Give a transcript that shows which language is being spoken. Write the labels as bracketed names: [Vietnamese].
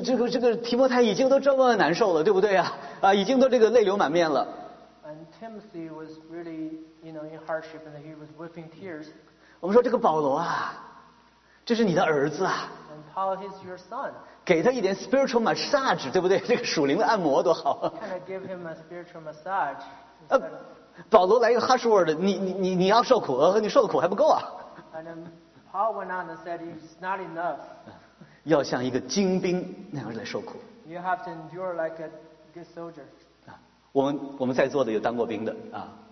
[Chinese] 这个提摩太已经都这么难受了，对不对啊？已经都这个泪流满面了。 [English] And Timothy was really, you know, in hardship and he was weeping tears. [Chinese] 我们说这个保罗啊，这是你的儿子啊。 [English] And Paul is your son. [Chinese] 给他一点 [English] spiritual massage, [Chinese] 对不对？这个属灵的按摩多好。 [English] Kind of give him a spiritual massage. [Chinese] 保罗来一个 [English] harsh word, [Chinese] 你要受苦，你受的苦还不够啊。 [English] And then Paul went on and said it's not enough. [Chinese] 要像一个精兵那样来受苦。 [English] You have to endure like a good soldier. [Chinese] 我们在座的有当过兵的啊。